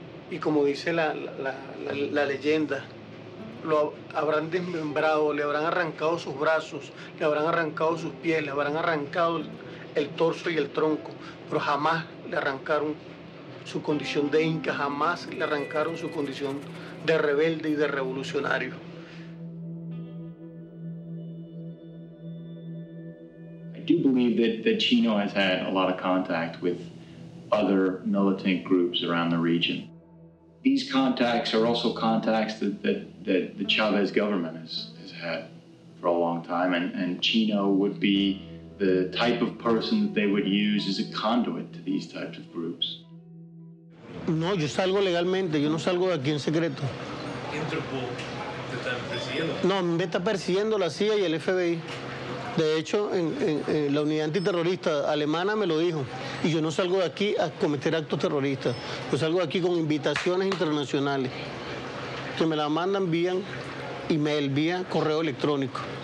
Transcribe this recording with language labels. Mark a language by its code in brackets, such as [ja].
[es] Y como dice la leyenda, lo habrán desmembrado, le habrán arrancado sus brazos, le habrán arrancado sus pies, le habrán arrancado el torso y el tronco, pero jamás le arrancaron su condición de inca, jamás le arrancaron su condición de rebelde y de revolucionario. [en] I do believe that Chino has had a lot of contact with other militant groups around the region. These contacts are also contacts that the Chavez government has had for a long time, and Chino would be the type of person that they would use as a conduit to these types of groups. [es] No, yo salgo legalmente, yo no salgo de aquí en secreto. ¿Interpol te está persiguiendo? No, me está persiguiendo la CIA y el FBI. De hecho, en la unidad antiterrorista alemana me lo dijo. Y yo no salgo de aquí a cometer actos terroristas. Yo salgo de aquí con invitaciones internacionales que me la mandan vía email, vía correo electrónico.